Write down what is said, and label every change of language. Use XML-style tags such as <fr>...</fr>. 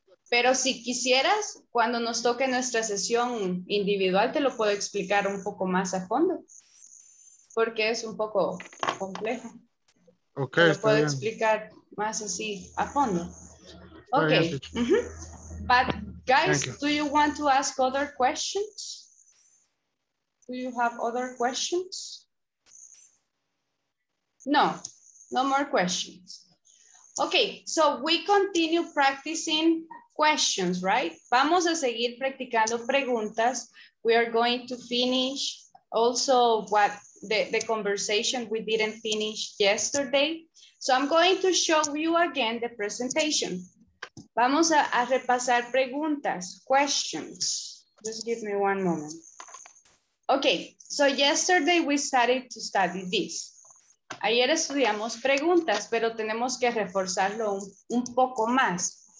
<es>Pero si quisieras, cuando nos toque nuestra sesión individual, te lo puedo explicar un poco más a fondo, porque es un poco complejo. Ok, te lo puedo explicar más así a fondo. Ok. Mm-hmm.</es> <en>But guys, do you want to ask other questions? Do you have other questions? No, no more questions. Okay, so we continue practicing questions, right?</en> <es>Vamos a seguir practicando preguntas.</es> <en>We are going to finish also what the conversation we didn't finish yesterday. So I'm going to show you again the presentation.</en> <es>Vamos a repasar preguntas,</es> <en>questions. Just give me one moment. Okay, so yesterday we started to study this.</en> <es>Ayer estudiamos preguntas, pero tenemos que reforzarlo un poco más.</es>